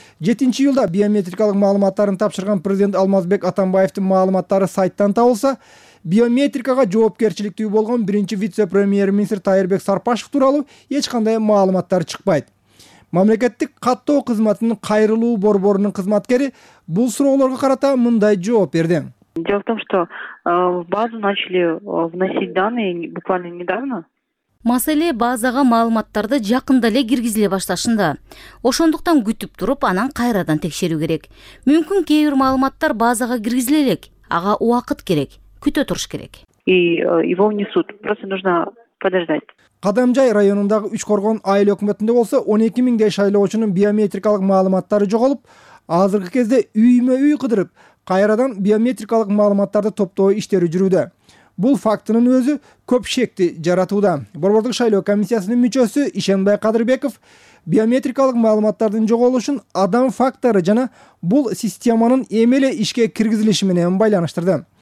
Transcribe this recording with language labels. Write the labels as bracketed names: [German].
[Kyrgyz] 7-нчи июлда биометрикалык маалыматтарын тапшырган президент Алмазбек Атамбаевдин маалыматтары сайттан табылса, биометрикага жоопкерчиликтүү болгон биринчи вице-премьер-министр Тайырбек Сарпашев тууралуу эч кандай маалыматтар чыкпайт. Мамлекеттик каттоо кызматынын кайрылуу борборунун кызматкери бул суроолорго карата мындай жооп берди. [Russian] Дело в том, что в базу начали вносить данные буквально недавно. [Kyrgyz] Маселе базага маалыматтарды жакында эле киргизиле башташында. Ошондуктан күтүп туруп, анан кайрадан текшерүү керек. Мүмкүн кээ бир маалыматтар базага киргизиле элек, ага убакыт керек, күтө туруш керек. [Russian] Его внесут, просто нужно подождать. [Kyrgyz] Кадамжай районундагы Үч Коргон айыл өкмөтүндө болсо 12,000 шайлоочунун биометрикалык маалыматтары жоголуп, азыркы кезде үймө-үй кыдырып, кайрадан биометрикалык маалыматтарды топтоо иштери жүрүүдө. Бул фактынын өзү көп шекти жаратууда. Борбордук шайлоо комиссиясынын мүчөсү Ишенбай Кадырбеков биометрикалык маалыматтардын жоголушун адам фактору жана бул системанын эме эле ишке киргизилиши менен байланыштырды.